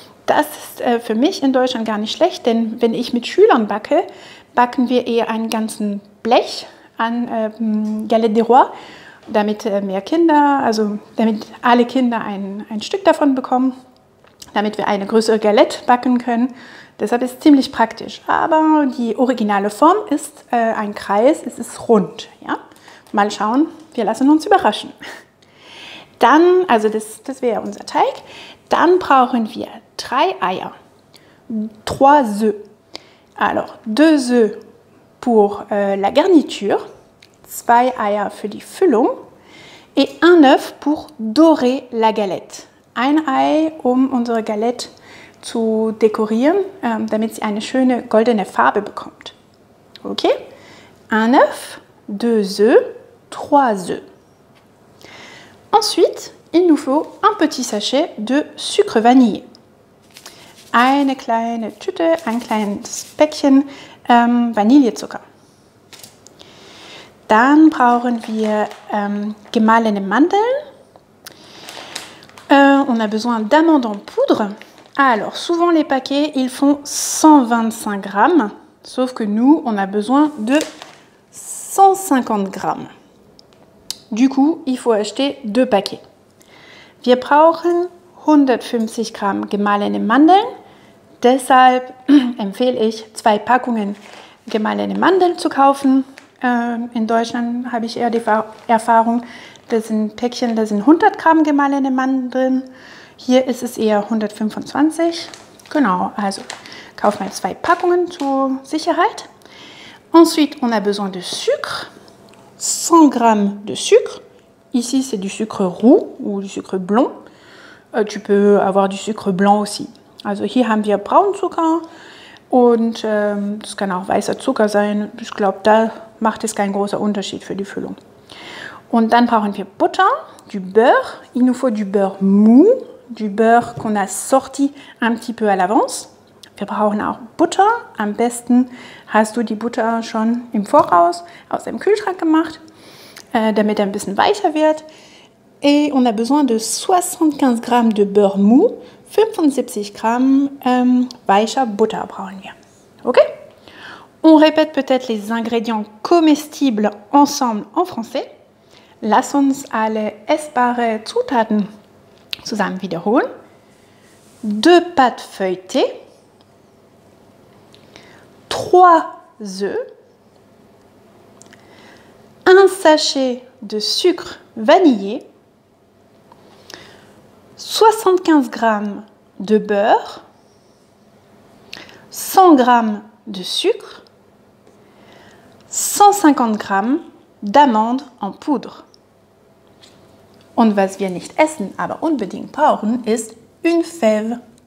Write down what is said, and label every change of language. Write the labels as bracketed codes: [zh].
[de] Das ist für mich in Deutschland gar nicht schlecht, denn wenn ich mit Schülern backe, backen wir eher einen ganzen Blech an Galette des Rois, damit damit alle Kinder ein Stück davon bekommen, damit wir eine größere Galette backen können. Deshalb ist es ziemlich praktisch. Aber die originale Form ist ein Kreis, es ist rund. Ja? Mal schauen, wir lassen uns überraschen. Dann, also das wäre unser Teig. Dann brauchen wir 3 Eier. 3 œufs. [fr] Alors, 2 œufs pour la garniture, [de] 2 Eier für die Füllung [fr] et 1 œuf pour dorer la galette. [de] Ein Ei, um unsere Galette zu dekorieren, damit sie eine schöne goldene Farbe bekommt. [fr] Okay? 1 œuf, 2 œufs, 3 œufs. Ensuite, il nous faut un petit sachet de sucre vanillé. [de] Eine kleine Tüte, ein kleines Päckchen Vanillezucker. Dann brauchen wir gemahlene Mandeln. [fr] On a besoin d'amandes en poudre. Alors, souvent les paquets, ils font 125 grammes. Sauf que nous, on a besoin de 150 grammes. Du coup, il faut acheter 2 paquets. [de] Wir brauchen 150 Gramm gemahlene Mandeln. Deshalb empfehle ich, 2 Packungen gemahlene Mandeln zu kaufen. In Deutschland habe ich eher die Erfahrung, das sind Päckchen, da sind 100 Gramm gemahlene Mandeln. Hier ist es eher 125. Genau, also kauf mal 2 Packungen zur Sicherheit. [fr] Ensuite, on a besoin de sucre. 100 Gramm de sucre. Ici, c'est du sucre roux ou du sucre blond. Tu peux avoir du sucre blanc aussi. [de] Also hier haben wir Braunzucker und das kann auch weißer Zucker sein. Ich glaube, da macht es keinen großen Unterschied für die Füllung. Und dann brauchen wir Butter, du Beurre. [fr] Il nous faut du Beurre mou, du Beurre qu'on a sorti un petit peu à l'avance. [de] Wir brauchen auch Butter. Am besten hast du die Butter schon im Voraus aus dem Kühlschrank gemacht, damit er ein bisschen weicher wird. [fr] Et on a besoin de 75 Gramm de Beurre mou. [de] 75 Gramm weicher Butter brauchen wir. Okay? [fr] On répète peut-être les ingrédients comestibles ensemble en français. [de] Lass uns alle essbare Zutaten zusammen wiederholen. [fr] 2 pâtes feuilletées. 3 œufs. 1 sachet de sucre vanillé. 75 grammes de beurre, 100 grammes de sucre, 150 grammes d'amandes en poudre. [de] Und was wir nicht essen, aber unbedingt brauchen, ist une fève.